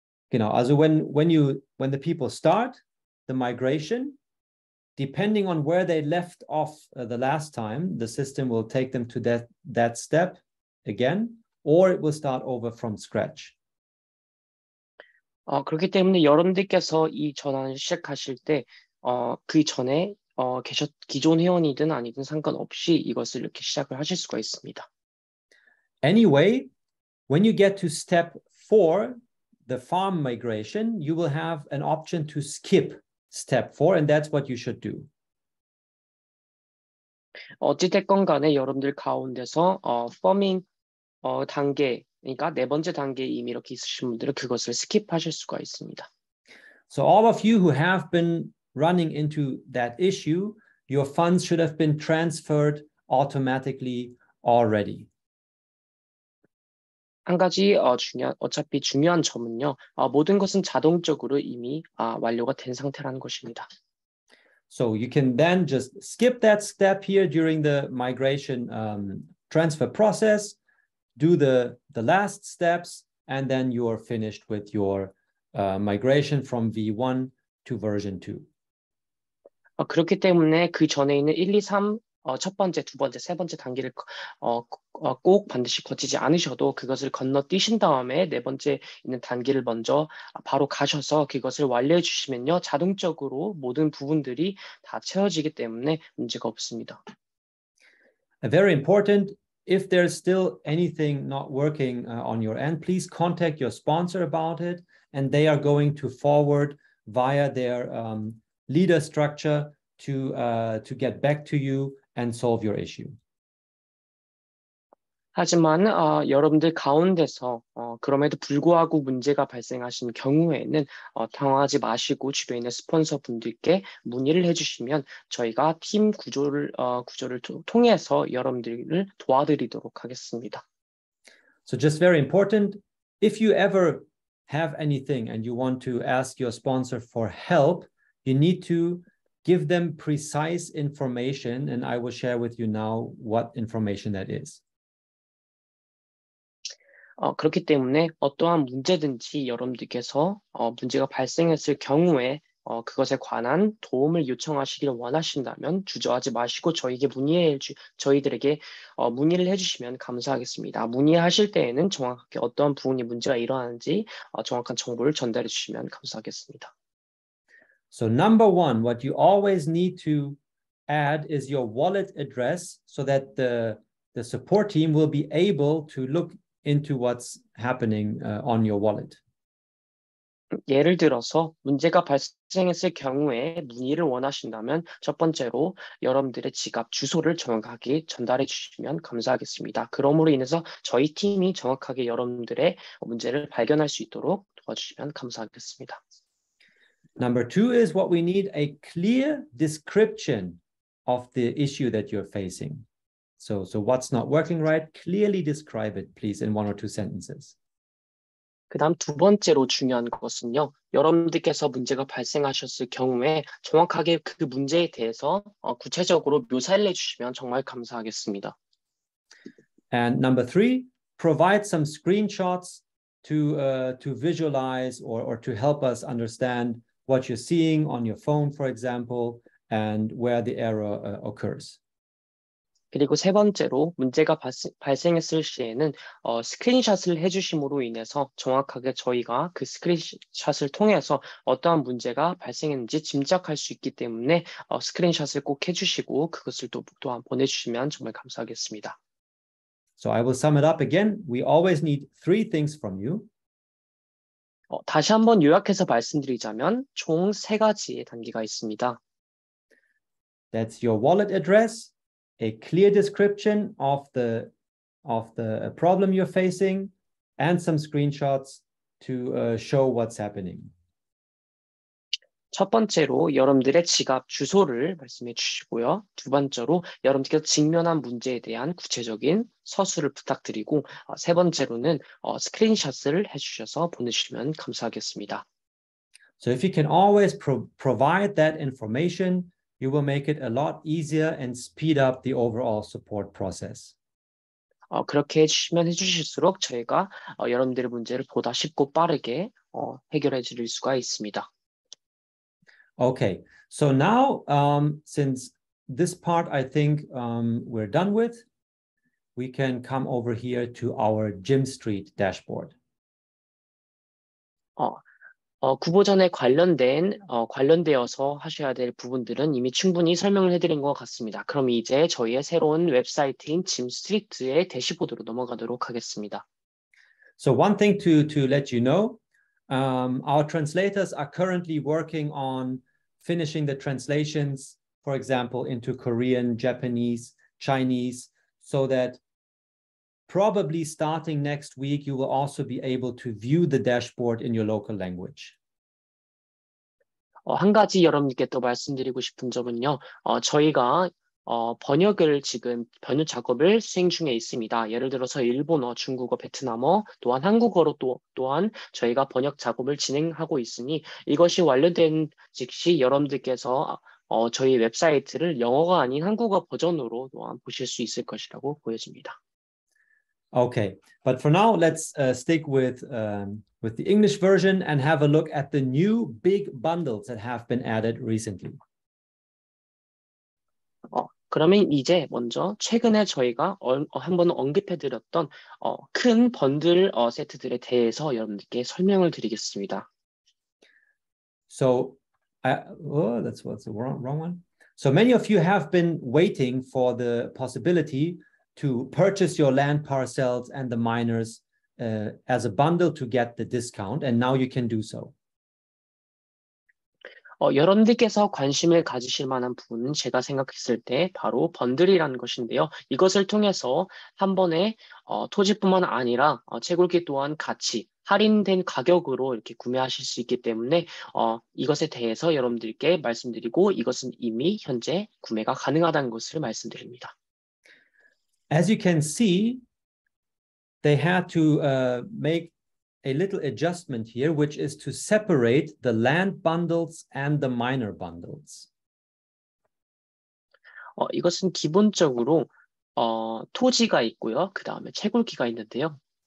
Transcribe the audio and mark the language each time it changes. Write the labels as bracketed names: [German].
[English] You know, also when the people start the migration, depending on where they left off the last time, the system will take them to that step again, or it will start over from scratch. [Korean] 그렇기 때문에 여러분들께서 이 전환을 시작하실 때, 그 전에 기존 회원이든 아니든 상관없이 이것을 이렇게 시작을 하실 수가 있습니다. [English] Anyway, when you get to step 4, the farm migration, you will have an option to skip step 4, and that's what you should do. [Korean] 어찌됐건 간에 여러분들 가운데서 farming 단계 그러니까 네 번째 단계에 이미 이렇게 있으신 분들은 그것을 스킵하실 수가 있습니다. [English] So all of you who have been running into that issue, your funds should have been transferred automatically already. [Korean] 한 가지 어차피 중요한 점은요. 모든 것은 자동적으로 이미 완료가 된 상태라는 것입니다. [English] So you can then just skip that step here during the migration transfer process, do the last steps, and then you are finished with your migration from V1 to version 2. [Korean] 그렇기 때문에 그 전에 있는 1, 2, 3 첫 번째, 두 번째, 세 번째 단계를 꼭 반드시 거치지 않으셔도 그것을 건너뛰신 다음에 네 번째 있는 단계를 먼저 바로 가셔서 그것을 완료해 주시면요. 자동적으로 모든 부분들이 다 채워지기 때문에 문제가 없습니다. [English] Very important. If there's still anything not working on your end, please contact your sponsor about it and they are going to forward via their leader structure to get back to you and solve your issue. [Korean] 하지만 여러분들 가운데서 그럼에도 불구하고 문제가 발생하신 경우에는 당황하지 마시고 주변에 있는 스폰서 분들께 문의를 해주시면 저희가 팀 구조를 통해서 여러분들을 도와드리도록 하겠습니다. [English] So just very important, if you ever have anything and you want to ask your sponsor for help, you need to give them precise information and I will share with you now what information that is. [Korean] 그렇기 때문에 어떠한 문제든지 여러분들께서 문제가 발생했을 경우에 그것에 관한 도움을 요청하시기를 원하신다면 주저하지 마시고 저희들에게 문의를 해주시면 감사하겠습니다. 문의하실 때에는 정확하게 어떠한 부분이 문제가 일어나는지 정확한 정보를 전달해 주시면 감사하겠습니다. [English] So number one, what you always need to add is your wallet address so that the support team will be able to look into what's happening on your wallet. [Korean] 예를 들어서 문제가 발생했을 경우에 문의를 원하신다면 첫 번째로 여러분들의 지갑 주소를 정확하게 전달해 주시면 감사하겠습니다. 그러므로 인해서 저희 팀이 정확하게 여러분들의 문제를 발견할 수 있도록 도와주시면 감사하겠습니다. [English] Number two is what we need a clear description of the issue that you're facing. So what's not working right? Clearly describe it, please, in one or two sentences. [Korean] 그다음 두 번째로 중요한 것은요. 여러분들께서 문제가 발생하셨을 경우에 정확하게 그 문제에 대해서 구체적으로 묘사를 해주시면 정말 감사하겠습니다. [English] And number three, provide some screenshots to visualize or to help us understand what you're seeing on your phone, for example, and where the error occurs. [Korean] 그리고 세 번째로 문제가 발생했을 시에는 스크린샷을 해주심으로 인해서 정확하게 저희가 그 스크린샷을 통해서 어떠한 문제가 발생했는지 짐작할 수 있기 때문에 스크린샷을 꼭 해주시고 그것을 또 보내주시면 정말 감사하겠습니다. [English] So I will sum it up again. We always need three things from you. [Korean] 다시 한번 요약해서 말씀드리자면 총 세 가지의 단계가 있습니다. [English] That's your wallet address. A clear description of the problem you're facing and some screenshots to show what's happening. [Korean] 첫 번째로 여러분들의 지갑 주소를 말씀해 주시고요. 두 번째로 여러분들께서 직면한 문제에 대한 구체적인 서술을 부탁드리고 세 번째로는 스크린샷을 해 주셔서 보내주시면 감사하겠습니다. [English] So if you can always provide that information, you will make it a lot easier and speed up the overall support process. [Korean] 그렇게 해주시면 해주실수록 저희가 여러분들의 문제를 보다 쉽고 빠르게 해결해 드릴 수가 있습니다. [English] Okay, so now since this part I think we're done with, we can come over here to our Gym Street dashboard. [Korean] 구보전에 관련되어서 하셔야 될 부분들은 이미 충분히 설명을 해드린 것 같습니다. 그럼 이제 저희의 새로운 웹사이트인 Gym Street의 대시보드로 넘어가도록 하겠습니다. [English] So one thing to let you know, our translators are currently working on finishing the translations, for example, into Korean, Japanese, Chinese, so that probably starting next week, you will also be able to view the dashboard in your local language. [Korean] 한 가지 여러분께 또 말씀드리고 싶은 점은요. 저희가 번역을 지금 번역 작업을 수행 중에 있습니다. 예를 들어서 일본어, 중국어, 베트남어, 또한 한국어로 또한 저희가 번역 작업을 진행하고 있으니 이것이 완료된 즉시 여러분들께서 저희 웹사이트를 영어가 아닌 한국어 버전으로 또한 보실 수 있을 것이라고 보여집니다. [English] Okay, but for now let's stick with the English version and have a look at the new big bundles that have been added recently. [Korean] 그러면 이제 먼저 최근에 저희가 한번 언급해드렸던 큰 번들 세트들에 대해서 여러분께 설명을 드리겠습니다. [English] So, that's the wrong one. So many of you have been waiting for the possibility to purchase your land parcels and the miners as a bundle to get the discount, and now you can do so. [Korean] 여러분들께서 관심을 가지실 만한 부분은 제가 생각했을 때 바로 번들이라는 것인데요. 이것을 통해서 한 번에 토지뿐만 아니라 채굴기 또한 같이 할인된 가격으로 이렇게 구매하실 수 있기 때문에 이것에 대해서 여러분들께 말씀드리고 이것은 이미 현재 구매가 가능하다는 것을 말씀드립니다. As you can see, they had to make a little adjustment here, which is to separate the land bundles and the miner bundles. 이것은 기본적으로 토지가 있고요. 그 다음에 채굴기가 있는데요.